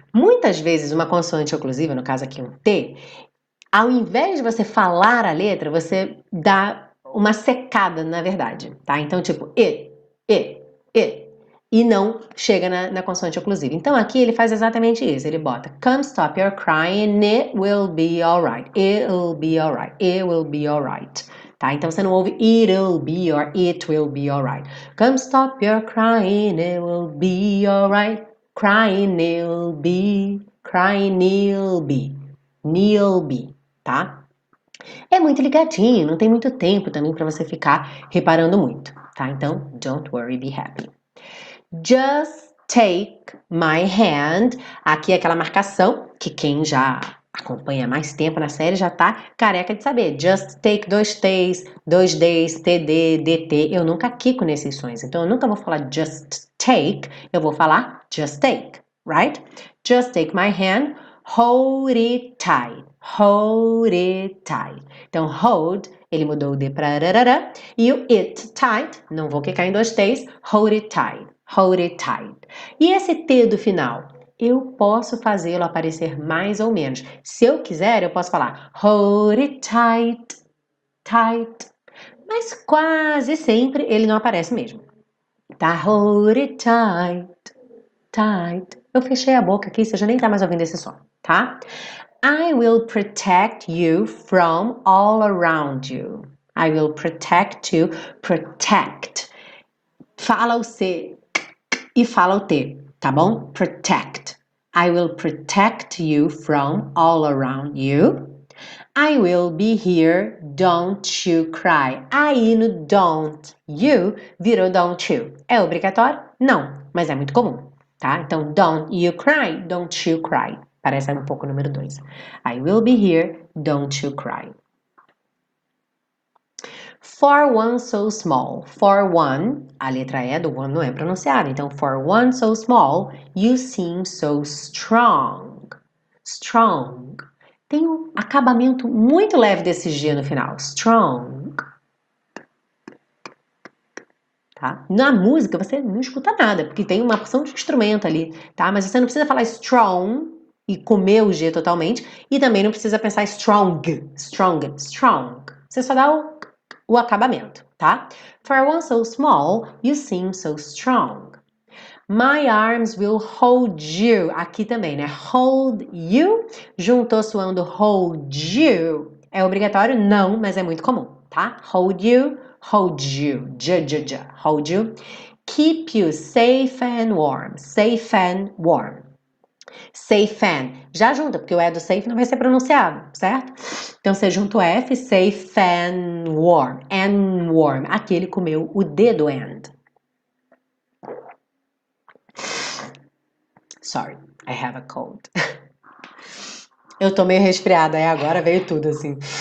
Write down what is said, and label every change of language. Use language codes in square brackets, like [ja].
[pt] Muitas vezes, uma consoante oclusiva, no caso aqui um T, ao invés de você falar a letra, você dá uma secada, na verdade, tá? Então, tipo, it. E não chega na consoante oclusiva. Então aqui ele faz exatamente isso. Ele bota [en] come stop your crying, it will be alright. It'll be alright. It will be alright. Tá? [pt] Então você não ouve [en] it'll be or it will be alright. Come stop your crying, it will be alright. Crying, it'll be. Crying, it'll be. Kneel be, tá? [pt] É muito ligadinho, não tem muito tempo também para você ficar reparando muito, tá? [en] Então, don't worry, be happy. Just take my hand. [pt] Aqui é aquela marcação que quem já acompanha mais tempo na série já tá careca de saber. [en] Just take [pt] dois T's, dois D's, TD, DT. Eu nunca quico nesses sons, então eu nunca vou falar [en] just take, [pt] eu vou falar just take, [en] right? Just take my hand, hold it tight, hold it tight. [pt] Então, hold, ele mudou o D pra rarara, e o [en] it tight, [pt] não vou quicar em dois T's, [en] hold it tight. Hold it tight. [pt] E esse T do final? Eu posso fazê-lo aparecer mais ou menos. Se eu quiser, eu posso falar [en] hold it tight, tight. [pt] Mas quase sempre ele não aparece mesmo. Tá? [en] Hold it tight, tight. [pt] Eu fechei a boca aqui, você já nem tá mais ouvindo esse som, tá? [en] I will protect you from all around you. I will protect you, protect. [pt] Fala o C. E fala o T, tá bom? [en] Protect. I will protect you from all around you. I will be here, don't you cry. [pt] Aí no [en] don't you [pt] virou don't you. É obrigatório? Não, mas é muito comum, tá? Então, [en] don't you cry, don't you cry. [pt] Parece um pouco o número 2. [en] I will be here, don't you cry. For one so small, for one, [pt] a letra E do one não é pronunciada. [en] Então, for one so small, you seem so strong. Strong. [pt] Tem um acabamento muito leve desse G no final. Strong. Tá? Na música você não escuta nada, porque tem uma porção de instrumento ali, tá? Mas você não precisa falar strong e comer o G totalmente. E também não precisa pensar [en] strong, strong, strong. [pt] Você só dá o acabamento, tá? [en] For one so small, you seem so strong. My arms will hold you. [pt] Aqui também, né? [en] Hold you. [pt] Juntou soando hold you. É obrigatório? Não, mas é muito comum, tá? [en] Hold you, hold you. J-j-j, hold you. Keep you safe and warm. Safe and warm. Seifan. [pt] Já junta, porque o E do safe não vai ser pronunciado, certo? Então você junta o F, [en] Seifan warm. [pt] And warm. Aquele comeu o dedo end. [en] Sorry, I have a cold. [pt] Eu tô meio resfriada, é agora veio tudo assim.